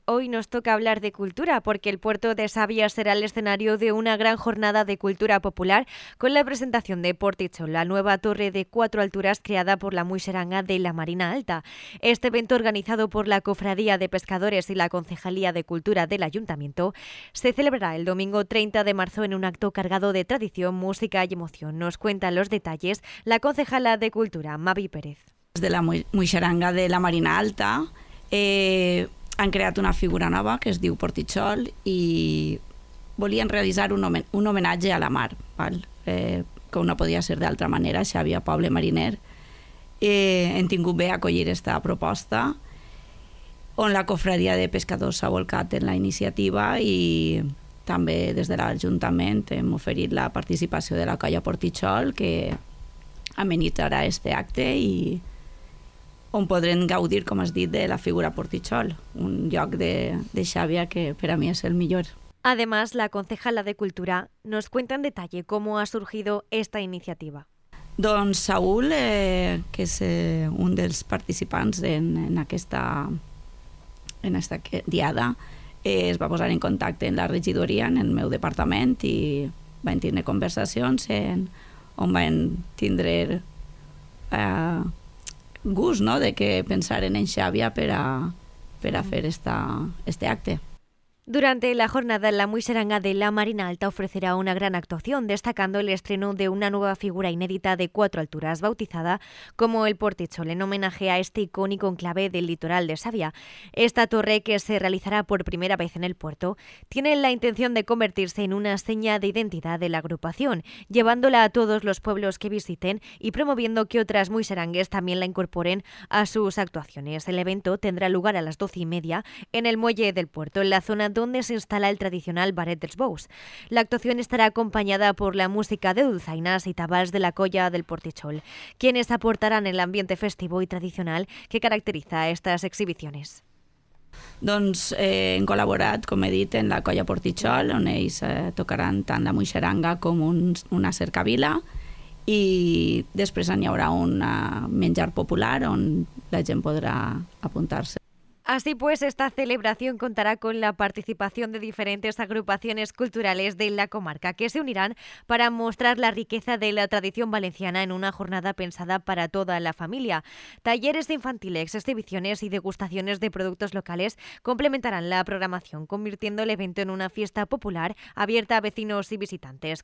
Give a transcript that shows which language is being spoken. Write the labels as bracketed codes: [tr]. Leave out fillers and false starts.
[es] Hoy nos toca hablar de cultura porque el puerto de Sabia será el escenario de una gran jornada de cultura popular con la presentación de Portichón, la nueva torre de 4 alturas creada por la Muxeranga de la Marina Alta. Este evento, organizado por la Cofradía de Pescadores y la Concejalía de Cultura del Ayuntamiento, se celebrará el domingo 30 de marzo en un acto cargado de tradición, música y emoción. Nos cuentan los detalles la concejalía de Cultura, Mavi Pérez. [ca] De la Muixeranga de la Marina Alta han creat una figura nova que es diu Portichol i volien realitzar un homenatge a la mar, val? Com no podia ser d'altra manera, si havia poble mariner. Hem tingut bé acollir esta proposta, on la Cofradia de Pescadors s'ha volcat en la iniciativa i també des de l'Ajuntament hem oferit la participació de la colla Portichol, que amenitzarà este acte i on podrem gaudir, com has dit, de la figura Portichol, un lloc de Xàbia que per a mi és el millor. [es] Además, la concejala de Cultura nos cuenta en detalle com ha sorgido esta iniciativa. [ca] Doncs Saúl, que és un dels participants en aquesta diada, es va posar en contacte amb la regidoria, en el meu departament, i vam tenir conversacions on van tindre gust, no?, de que pensaren en Xàbia per a fer este acte. [es] Durante la jornada, la Muixeranga de la Marina Alta ofrecerá una gran actuación, destacando el estreno de una nueva figura inédita de 4 alturas, bautizada como el Portichol, en homenaje a este icónico enclave del litoral de Sabia. Esta torre, que se realizará por primera vez en el puerto, tiene la intención de convertirse en una seña de identidad de la agrupación, llevándola a todos los pueblos que visiten y promoviendo que otras muixerangues también la incorporen a sus actuaciones. El evento tendrá lugar a las 12:30 en el muelle del puerto, en la zona donde se instala el tradicional Baret dels Bous. La actuación estará acompañada por la música de dulzainas y tabals de la colla del Portichol, quienes aportarán el ambiente festivo y tradicional que caracteriza estas exhibiciones. [ca] Doncs hem col·laborat, com he dit, en la colla Portichol, on ells tocaran tant la muixeranga com una cercavila, i després n'hi haurà un menjar popular on la gent podrà apuntar-se. [es] Así pues, esta celebración contará con la participación de diferentes agrupaciones culturales de la comarca que se unirán para mostrar la riqueza de la tradición valenciana en una jornada pensada para toda la familia. Talleres infantiles, exhibiciones y degustaciones de productos locales complementarán la programación, convirtiendo el evento en una fiesta popular abierta a vecinos y visitantes.